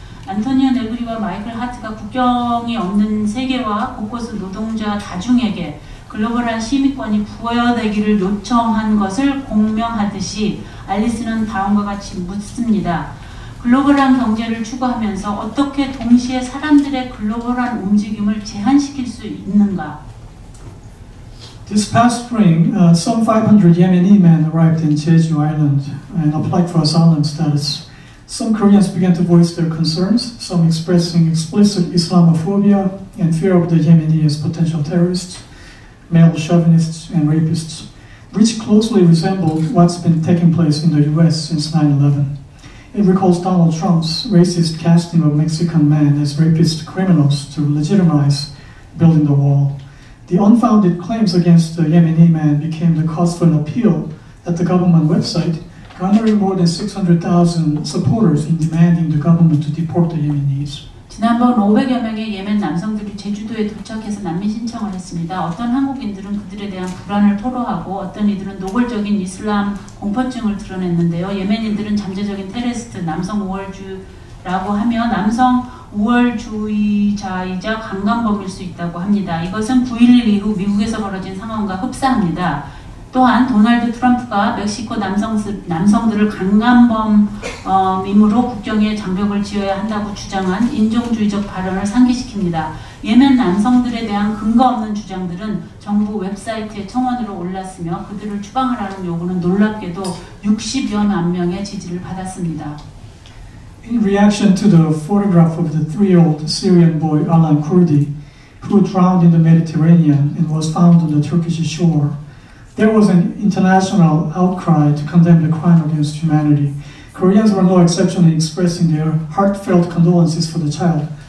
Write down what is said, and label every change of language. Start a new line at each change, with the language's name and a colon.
Korean: 안토니오 네그리와 마이클 하트가 국경이 없는 세계와 곳곳의 노동자 다중에게 글로벌한 시민권이 부여되기를 요청한 것을 공명하듯이 알리스는 다음과 같이 묻습니다. 글로벌한 경제를 추구하면서 어떻게 동시에 사람들의 글로벌한 움직임을 제한시킬 수 있는가?
English: This past spring, some 500 Yemeni men arrived in Jeju Island and applied for asylum status. Some Koreans began to voice their concerns, some expressing explicit Islamophobia and fear of the Yemeni as potential terrorists, male chauvinists and rapists, which closely resembled what's been taking place in the U.S. since 9/11. It recalls Donald Trump's racist casting of Mexican men as rapist criminals to legitimize building the wall. The unfounded claims against the Yemeni man became the cause for an appeal at the government website, garnering more than 600,000 supporters in demanding the government to deport the Yemenis.
Korean: 지난번 500여 명의 예멘 남성들이 제주도에 도착해서 난민 신청을 했습니다. 어떤 한국인들은 그들에 대한 불안을 토로하고 어떤 이들은 노골적인 이슬람 공포증을 드러냈는데요. 예멘인들은 잠재적인 테러리스트, 남성 우월주라고 하며 남성 우월주의자이자 강간범일 수 있다고 합니다. 이것은 9.11 이후 미국에서 벌어진 상황과 흡사합니다. 또한 도널드 트럼프가 멕시코 남성들을 강간범임으로 국경에 장벽을 지어야 한다고 주장한 인종주의적 발언을 상기시킵니다. 예멘 남성들에 대한 근거 없는 주장들은 정부 웹사이트에 청원으로 올랐으며 그들을 추방하라는 요구는 놀랍게도 60여만 명의 지지를 받았습니다.
English: In reaction to the photograph of the three-year-old Syrian boy Alan Kurdi, who drowned in the Mediterranean and was found on the Turkish shore, there was an international outcry to condemn the crime against humanity. Koreans were no exception in expressing their heartfelt condolences for the child.